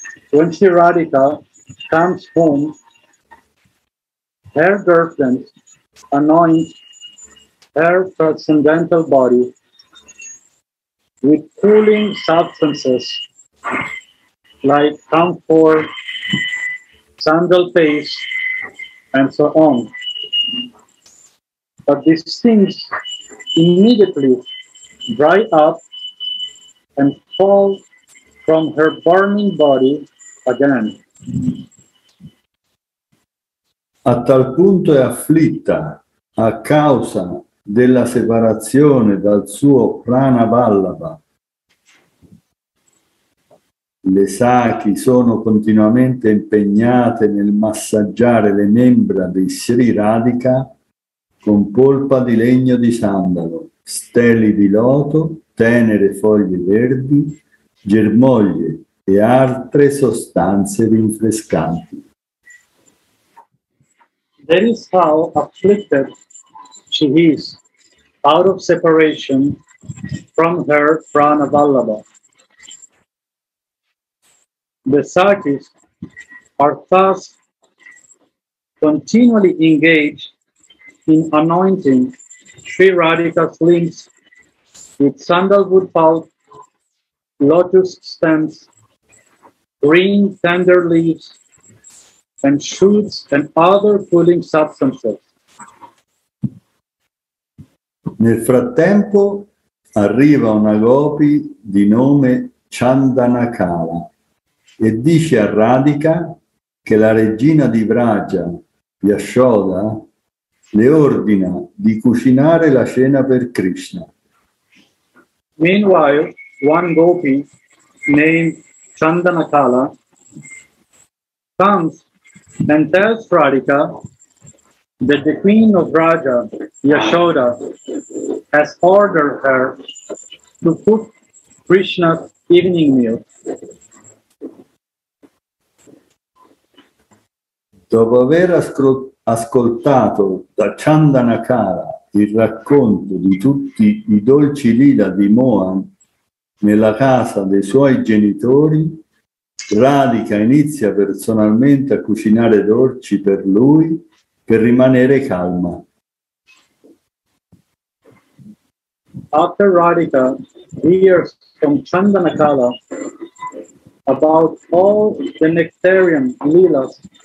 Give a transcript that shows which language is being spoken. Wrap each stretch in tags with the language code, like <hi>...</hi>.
<en>When Sri Radhika comes home, her girlfriend anoints her transcendental body with cooling substances like camphor, sandal paste, and so on. But these things immediately dry up and fall from her burning body again.</en> <it>A tal punto è afflitta a causa della separazione dal suo Pranavallabha. Le sakhi sono continuamente impegnate nel massaggiare le membra di Sri Radhika con polpa di legno di sandalo, steli di loto, tenere foglie verdi, germoglie e altre sostanze rinfrescanti.</it> <en>That is how afflicted she is out of separation from her Pranavallabha. The sakis are thus continually engaged in anointing Sri Radhika's limbs with sandalwood pulp, lotus stems, green tender leaves, and shoots and other cooling substances.</en> <it>Nel frattempo arriva una gopi di nome Chandanakala e dice a Radhika che la regina di Vraja, Yashoda, le ordina di cucinare la cena per Krishna.</it> <en>Meanwhile, one gopi named Chandanakala comes and tells Radhika that the queen of Vraja, Yashoda, has ordered her to cook Krishna's evening meal.</en> <it>Dopo aver ascoltato da Chandanakala il racconto di tutti i dolci lila di Mohan nella casa dei suoi genitori, Radhika inizia personalmente a cucinare dolci per lui per rimanere calma.</it> <en>After Radhika hears from Chandanakala about all the nectarian lilas</en>